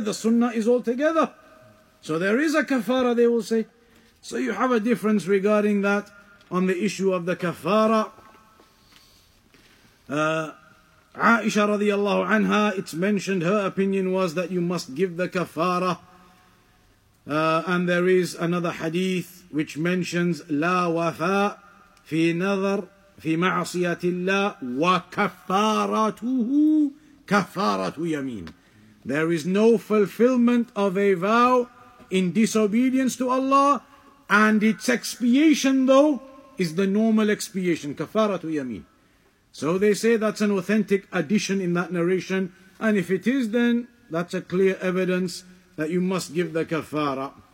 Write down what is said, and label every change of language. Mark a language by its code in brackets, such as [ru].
[en] The sunnah is all together. So there is a kafara, they will say. So you have a difference regarding that on the issue of the kafara. Aisha radiallahu anha, it's mentioned, her opinion was that you must give the kafara. And there is another hadith which mentions [ar] لا وفاء في نظر في معصية الله وكفارته كفارة يمين. [en] There is no fulfillment of a vow in disobedience to Allah, and its expiation though is the normal expiation, [ar] كفارة يمين. [en] So they say that's an authentic addition in that narration, and if it is, then that's a clear evidence that you must give the kafara.